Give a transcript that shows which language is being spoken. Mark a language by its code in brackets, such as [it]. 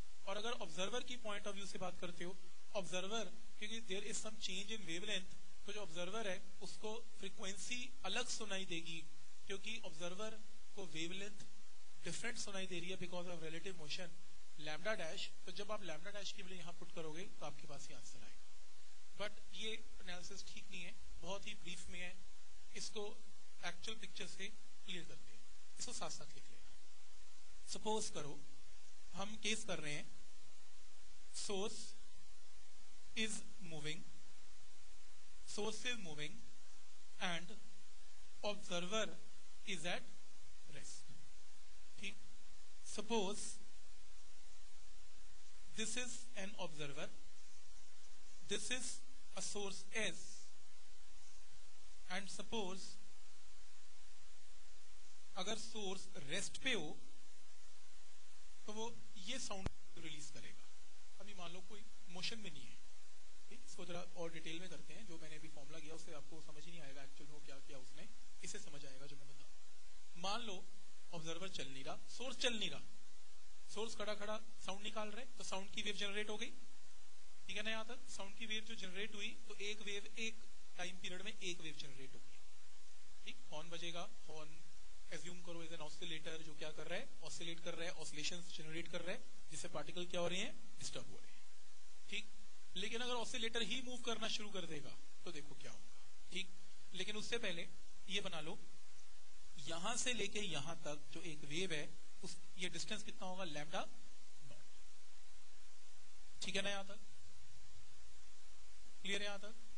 [ur] اور اگر آبزرور کی پوائنٹ آف ویو سے بات کرتے ہو، آبزرور کیونکہ [en] there is some change in wavelength, [ur] تو جو آبزرور ہے اس کو فریکوینسی الگ سنائی دے گی، کیونکہ آبزرور کو ویو لینتھ ڈفرینٹ سنائی دے رہی ہے because of relative motion lambda dash. تو جب آپ لیمڈا ڈیش کی ویلو یہاں پٹ کرو گے تو آپ کے پاس یہ آنسر آئے گا. بٹ یہ انالیسس ٹھیک نہیں ہے، بہت ہی بریف میں ہے، اس کو ایکچوئل پکچر سے کلیئر کرتے ہیں، اس کو ساتھ ساتھ لکھ لیں. سپوز کرو ہم کیس کر رہے ہیں، [en] Source is moving, source is moving and observer is at rest. [ur] ٹھیک. [en] Suppose this is an observer, this is a source S, and suppose [ur] اگر source rest پہ ہو تو وہ یہ sound release کرے گا. ابھی مان لو کوئی motion میں نہیں ہے، اس کو ذرا اور ڈیٹیل میں کرتے ہیں. جو میں نے ابھی فارمولا کیا اسے آپ کو سمجھ نہیں آئے گا ایکچوئل میں وہ کیا کیا اس نے، اسے سمجھ آئے گا جو میں بتاؤں. مان لو آبزرور چل نہیں رہا، سورس چل نہیں رہا، سورس کھڑا کھڑا ساؤنڈ نکال رہے، تو ساؤنڈ کی ویو جنریٹ ہو گئی. ٹھیک ہے نا، یہاں تک ساؤنڈ کی ویو جو جنریٹ ہوئی تو ایک ویو ایک ٹائم پیریڈ میں ایک ویو جنریٹ ہو گئی. ٹھیک. ہارن بجے گا، ہارن ایزیوم کرو از این آسیلیٹر جو کیا کر رہا ہے، آسیلیٹ کر رہا ہے، آسیلیشنز جنریٹ کر رہا ہے جس سے پارٹیکل کیا ہو رہے ہیں، ڈسٹرب ہو رہے ہیں. ٹھیک. لیکن اگر آسیلیٹر ہی موو کرنا شروع کر دے گا تو دیکھو کیا ہوگا. ٹھیک. لیکن اس سے پہلے یہ بنا لو، یہاں سے لے کے یہاں تک جو ایک ویو ہے اس یہ ڈسٹینس کتنا ہوگا؟ Lambda not. ٹھیک ہے نا، یہاں تک کلیئر ہے؟ یہاں تک.